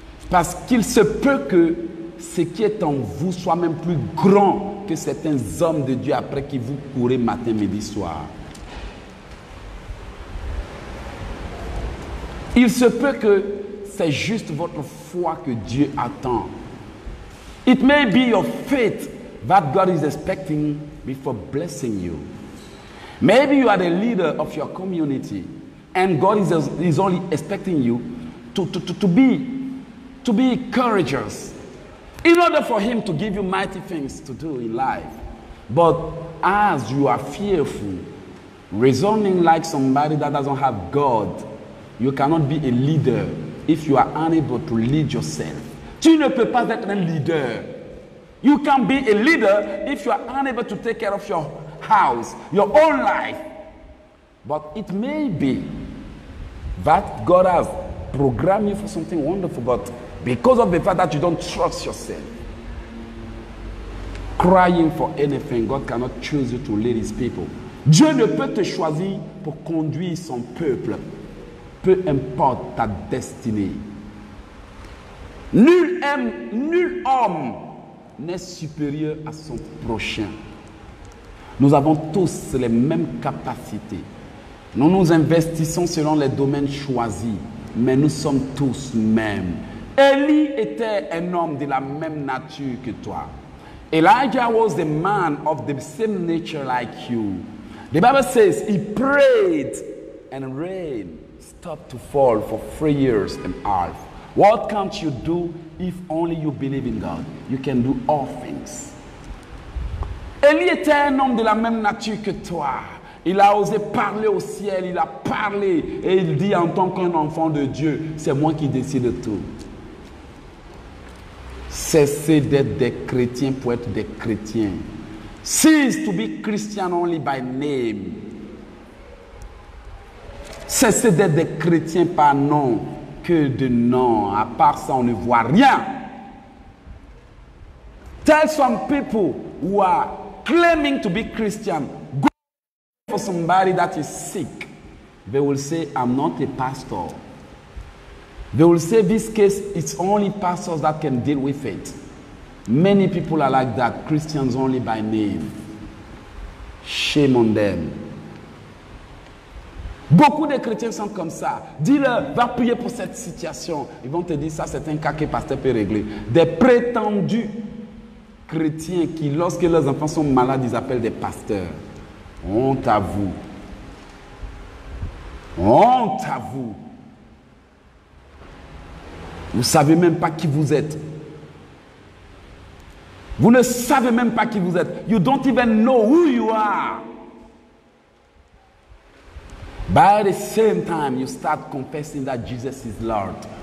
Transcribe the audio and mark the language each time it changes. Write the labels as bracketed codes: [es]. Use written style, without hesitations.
[fr] Parce qu'il se peut que ce qui est en vous soit même plus grand que certains hommes de Dieu après qui vous courez matin, midi, soir. Il se peut que c'est juste votre foi que Dieu attend. [en] It may be your faith that God is expecting before blessing you. Maybe you are the leader of your community and God is only expecting you to be courageous in order for him to give you mighty things to do in life. But as you are fearful, reasoning like somebody that doesn't have God, you cannot be a leader if you are unable to lead yourself. [fr] Tu ne peux pas être un leader. [en] You can be a leader if you are unable to take care of your house, your own life. But it may be that God has programmed you for something wonderful, but because of the fact that you don't trust yourself, crying for anything, God cannot choose you to lead his people. [fr] Dieu ne peut te choisir pour conduire son peuple, peu importe ta destinée. Nul homme n'est supérieur à son prochain. Nous avons tous les mêmes capacités. Nous nous investissons selon les domaines choisis, mais nous sommes tous mêmes. Élie était un homme de la même nature que toi. [en] Elijah was a man of the same nature like you. The Bible says he prayed and rain stopped to fall for 3 years and a half. What can't you do if only you believe in God? You can do all things. [fr] Élie était un homme de la même nature que toi. Il a osé parler au ciel, il a parlé et il dit en tant qu'un enfant de Dieu, c'est moi qui décide tout. Cessez d'être des chrétiens pour être des chrétiens. [en] Cease to be Christian only by name. [fr] Cessez d'être des chrétiens par nom que de nom. À part ça, on ne voit rien. [en] Tell some people who are claiming to be Christian, go for somebody that is sick. They will say, I'm not a pastor. They will say this case, it's only pastors that can deal with it. Many people are like that, Christians only by name. Shame on them. [fr] Beaucoup de chrétiens sont comme ça. Dis-le, va prier pour cette situation. Ils vont te dire, ça c'est un cas que pasteur peut régler. Des prétendus chrétiens qui, lorsque leurs enfants sont malades, ils appellent des pasteurs. Honte à vous. Honte à vous. Vous ne savez même pas qui vous êtes. Vous ne savez même pas qui vous êtes. [en] You don't even know who you are. By the same time, you start confessing that Jesus is Lord.